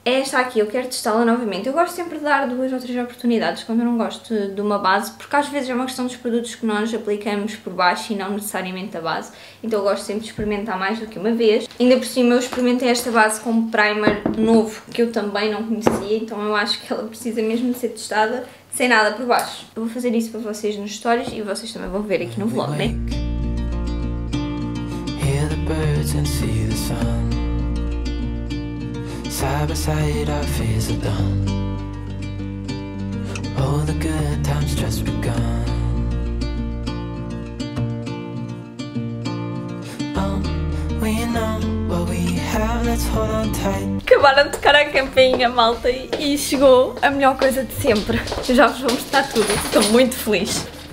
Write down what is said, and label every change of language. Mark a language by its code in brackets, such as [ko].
[pt] É esta aqui, eu quero testá-la novamente. Eu gosto sempre de dar 2 ou 3 oportunidades quando eu não gosto de uma base porque às vezes é uma questão dos produtos que nós aplicamos por baixo e não necessariamente a base. Então eu gosto sempre de experimentar mais do que uma vez. Ainda por cima eu experimentei esta base com um primer novo que eu também não conhecia, então eu acho que ela precisa mesmo de ser testada. Sem nada por baixo. Eu vou fazer isso para vocês nos stories e vocês também vão ver aqui no vlog, né? [en] Hear the birds and see the sun. Side by side our fears are done. All the good times just begun. We know what we have, let's hold on tight. [pt] Acabaram de tocar a campainha, malta, e chegou a melhor coisa de sempre. Eu já vos vou mostrar tudo, estou muito feliz.